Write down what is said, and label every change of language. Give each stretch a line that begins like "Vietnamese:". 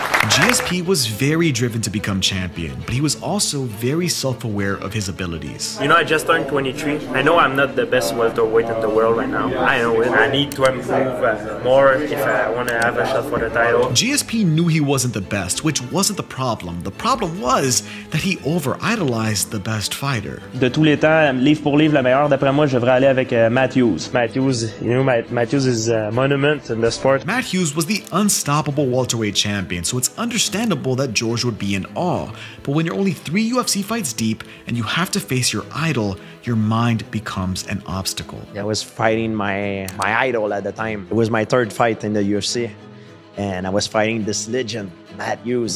English: GSP was very driven to become champion, but he was also very self-aware of his abilities. You know, I just turned 23. I know I'm not the best welterweight in the world right now. I know it. I need to improve more if I want to have a shot for the title. GSP knew he wasn't the best, which wasn't the problem. The problem was that he over-idolized the best fighter.
French: De tous les temps, livre pour livre, le meilleur, d'après moi, je devrais aller avec Matthews.
English: Matthews, you know, Matthews is a monument in the sport. Matthews was the unstoppable welterweight champion, so it's understandable that George would be in awe, but when you're only 3 UFC fights deep and you have to face your idol, your mind becomes an obstacle. I was fighting my idol at the time. It was my 3rd fight in the UFC, and I was fighting this legend, Matt Hughes.